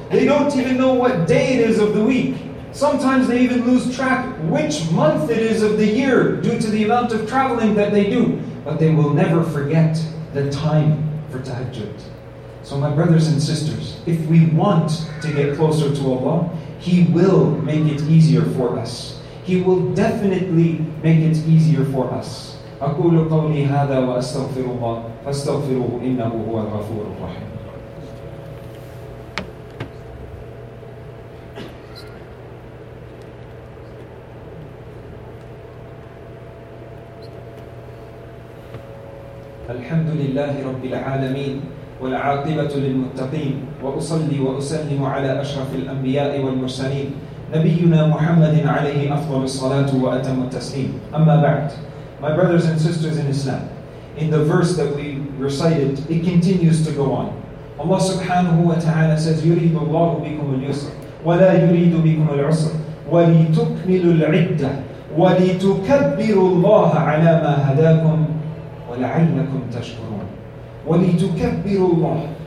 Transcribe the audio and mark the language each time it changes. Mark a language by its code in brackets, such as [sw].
[en] They don't even know what day it is of the week. Sometimes they even lose track which month it is of the year due to the amount of traveling that they do. But they will never forget the time for tahajjud. So my brothers and sisters, if we want to get closer to Allah, He will make it easier for us. He will definitely make it easier for us. [ar] أقول قولي هذا وأستغفر الله فاستغفروه إنه هو الغفور الرحيم. الحمد لله رب العالمين والعاقبة للمتقين وأصلي وأسلم على أشرف الأنبياء والمرسلين نبينا محمد عليه أفضل الصلاة وأتم التسليم. أما بعد, [en] my brothers and sisters in Islam, in the verse that we recited, it continues to go on. Allah subhanahu wa ta'ala says, [ar] يُرِيدُ اللَّهُ بِكُمُ الْيُسْرَ وَلَا يُرِيدُ بِكُمُ الْعُسْرَ وَلِتُكْمِلُوا الْعِدَّةِ وَلِتُكَبِّرُوا اللَّهَ عَلَى مَا هَدَاكُمْ وَلَعَلَّكُمْ تَشْكُرُونَ وَلِتُكَبِّرُوا اللَّهَ.